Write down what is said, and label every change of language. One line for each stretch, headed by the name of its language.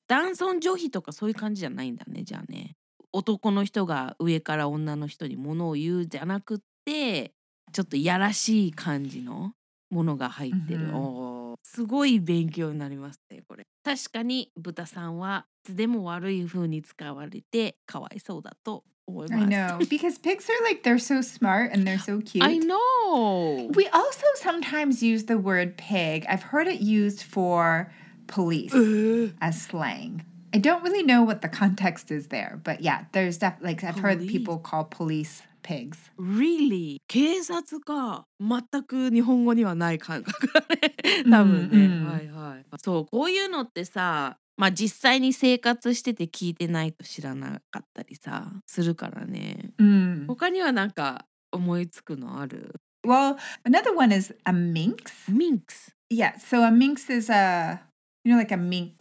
Japanese: 男尊女卑とかそういう感じじゃないんだね、じゃあね。男の人が上から女の人に物を言うじゃなくって、ちょっといやらしい感じのものが入ってる。すごい勉強になりますね、これ。確かに豚さんはいつでも悪い風に使われてかわいそうだと。
English: I know, because pigs are like, they're so smart and they're so cute. I know. We also sometimes use the word pig. I've heard it used for police as slang. I don't really know what the context is there, but yeah, there's definitely, like, I've heard people call police pigs. Really?
Japanese: 警察か全く日本語にはない感覚だね。多分ね。はいはい。そう、こういうのってさ、まあ実際に生活してて聞いてないと知らなかったりさ、するからね。うん。他にはなんか思いつくのある？
English: Well, another one is a minx. Minx. Yeah, so a minx is a, you know, like a mink.